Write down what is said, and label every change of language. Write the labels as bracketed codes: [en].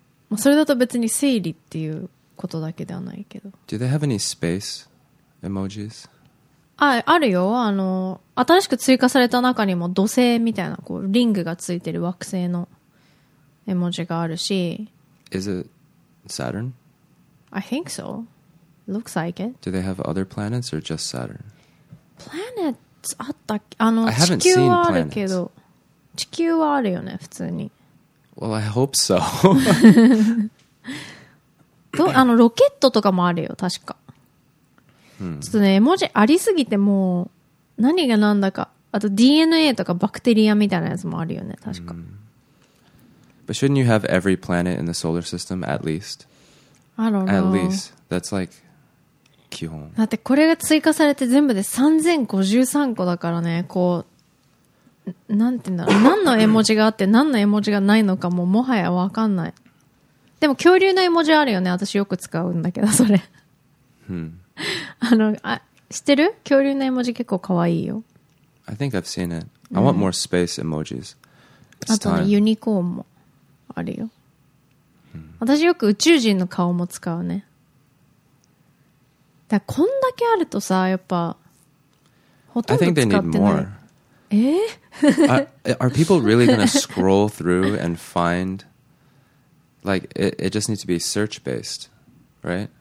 [ja] まあそれだと別に生理っていう。ことだけではないけど。 [en] Do they have any space emojis? [ja] あるよ。あの、新しく追加された中にも土星みたいな、こう、リングがついてる惑星の絵文字があるし。 [en] Is it Saturn? I think so. Looks like it. Do they have other planets or just Saturn? [ja] Planets あったっけ？あの、地球はあるけど。地球はあるよね、普通に。 [en] Well, I hope so. [ja] あの、ロケットとかもあるよ、確か。ちょっとね、絵文字ありすぎてもう何が何だか、あと DNA とかバクテリアみたいなやつもあるよね、確か。 [en] But shouldn't you have every planet in the solar system at least? I don't know. At least. That's like 基本。 [ja] だってこれが追加されて全部で3053個だからね、こう、なんていうんだろう、何の絵文字があって何の絵文字がないのかもうもはやわかんない。でも恐竜の絵文字あるよね、私よく使うんだけど、それ。知ってる？恐竜の絵文字結構かわいいよ。 [en] I think I've seen it. I want more space emojis. [ja] あとね、ユニコーンもあるよ。私よく宇宙人の顔も使うね。だこんだけあるとさ、やっぱ、ほとんど使ってない。 [en] I think they need more. are people really gonna scroll through and find, like, it just needs to be search based, right?